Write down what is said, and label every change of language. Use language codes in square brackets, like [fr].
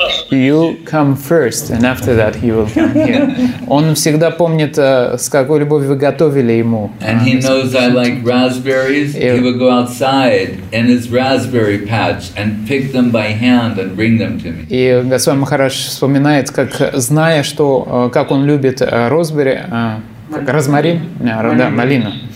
[en] You come first, and after that he will come here. [ru] Он всегда помнит, с какой любовью вы готовили ему. [en] And he knows I like raspberries. He would go outside in his raspberry patch and pick them by hand and bring them to me. [ru] И Госвами Махарадж вспоминает, как, зная, что, как он любит розмари, как розмарин, да, малина.